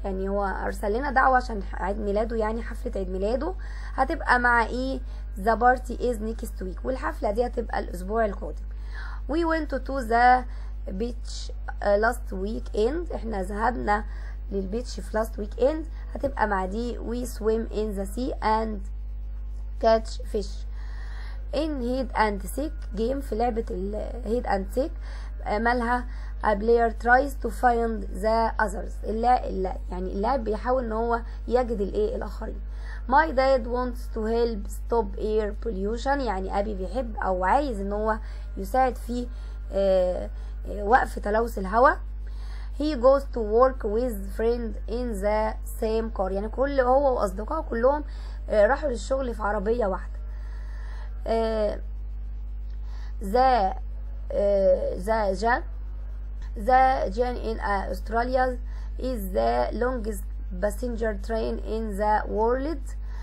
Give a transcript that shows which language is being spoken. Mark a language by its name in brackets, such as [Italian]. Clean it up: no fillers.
[Arabic] يعني هو أرسل لنا دعوة عشان عيد ميلاده، يعني حفلة عيد ميلاده هتبقى مع إيه. [English] The party is next week، [Arabic] والحفلة دي هتبقى الأسبوع القادم. [English] We went to the beach last weekend، [Arabic] إحنا ذهبنا للبيتش في [English] last weekend [Arabic] هتبقى مع دي. [English] We swim in the sea and catch fish. In hide and seek game، [Arabic] في لعبة ال [English] hide and seek [Arabic] مالها؟ [English] A player tries to find the others، [Arabic] يعني اللاعب بيحاول ان هو يجد الايه الاخرين. [English] My dad wants to help stop air pollution، [Arabic] يعني ابي بيحب او عايز ان هو يساعد في وقف تلوث الهواء. [English] He goes to work with friend in the same car، [Arabic] يعني كل هو واصدقائه كلهم راحوا للشغل في عربية واحدة. [English] The Jane in Australia is the longest passenger train in the world.